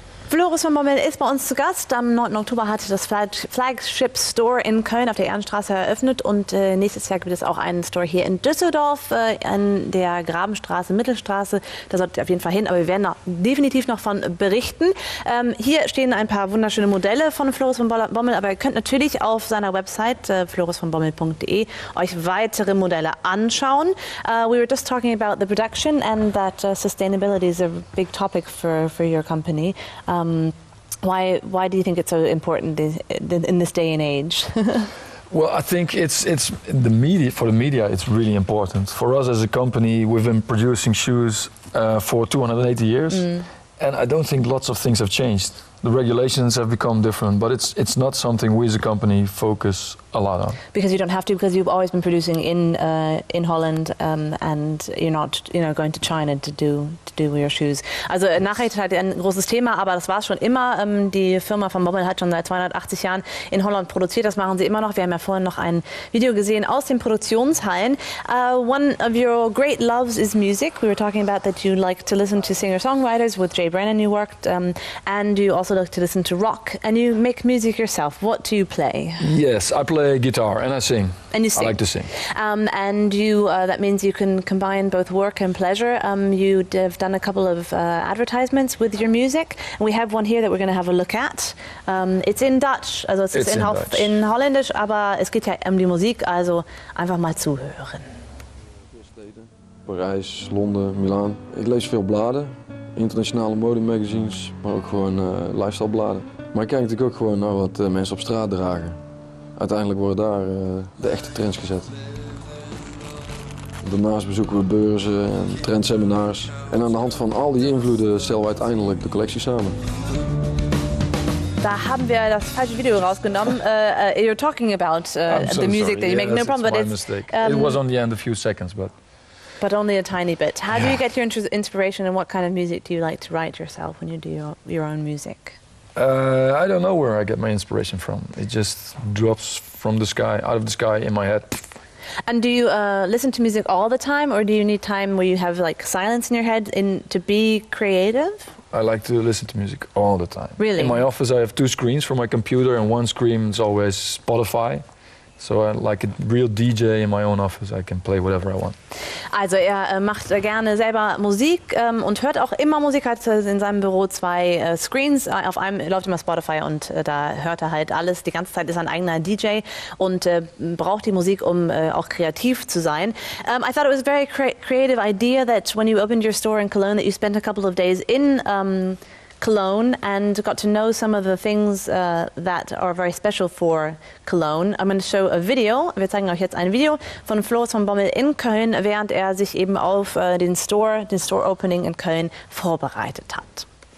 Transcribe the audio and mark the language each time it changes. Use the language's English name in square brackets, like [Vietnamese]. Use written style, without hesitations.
[German] Floris von Bommel ist bei uns zu Gast. Am 9. Oktober hat das Flagship Store in Köln auf der Ehrenstraße eröffnet und nächstes Jahr gibt es auch einen Store hier in Düsseldorf an der Grabenstraße, Mittelstraße. Da solltet ihr auf jeden Fall hin, aber wir werden da definitiv noch von berichten. Hier stehen ein paar wunderschöne Modelle von Floris von Bommel, aber ihr könnt natürlich auf seiner Website florisvonbommel.de euch weitere Modelle anschauen. [English] We were just talking about the production and that sustainability is a big topic for your company. Why do you think it's so important in this day and age? Well, I think it's the media, for the media it's really important. For us as a company, we've been producing shoes for 280 years, and I don't think lots of things have changed. The regulations have become different, but it's not something we as a company focus a lot on. Because you don't have to, because you've always been producing in Holland, and you're not, you know, going to China to do your shoes. [German] Also Nachhaltigkeit ist ein großes Thema, aber das war es schon immer. Die Firma von Bommel hat schon seit 280 Jahren in Holland produziert. Das machen sie immer noch. Wir haben ja vorhin noch ein Video gesehen aus den Produktionshallen. [English] One of your great loves is music. We were talking about that you like to listen to singer-songwriters. With Jay Brennan you worked, and you also like to listen to rock, and you make music yourself. What do you play? Yes, I play guitar and I sing. And you sing. I like to sing. And you, that means you can combine both work and pleasure. You have done a couple of advertisements with your music. And we have one here that we're going to have a look at. It's in Dutch, also it's in Dutch. [German] In Holländisch, aber es geht ja die Musik, also einfach mal zuhören. [Dutch] Parijs, Londen, Milaan. Ik lees veel bladen. Internationale modemagazines, maar ook gewoon lifestyle bladen. Maar ik kijk natuurlijk ook gewoon naar wat mensen op straat dragen. Uiteindelijk worden daar de echte trends gezet. Daarnaast bezoeken we beurzen en trendseminars. En aan de hand van al die invloeden stellen we uiteindelijk de collectie samen. [German] Da haben wir das falsche Video rausgenommen. [English] You're talking about the music that you make. No problem, but mistake. It was on the end a few seconds, but. But only a tiny bit. How do you get your inspiration, and what kind of music do you like to write yourself when you do your own music? I don't know where I get my inspiration from. It just drops from the sky, out of the sky, in my head. And do you listen to music all the time, or do you need time where you have like silence in your head to be creative? I like to listen to music all the time. Really? In my office, I have two screens for my computer, and one screen is always Spotify. So I like a real DJ in my own office. I can play whatever I want. [German] Also er macht gerne selber Musik und hört auch immer Musik. Hat in seinem Büro zwei Screens. Auf einem läuft immer Spotify und da hört er halt alles. Die ganze Zeit ist ein eigener DJ und braucht die Musik, um auch kreativ zu sein. [English] I thought it was a very creative idea that when you opened your store in Cologne that you spent a couple of days in Cologne and got to know some of the things that are very special for Cologne. I'm going to show a video. [German] Wir zeigen euch jetzt ein Video von Floris von Bommel in Köln, während sich eben auf den Store Opening in Köln vorbereitet hat.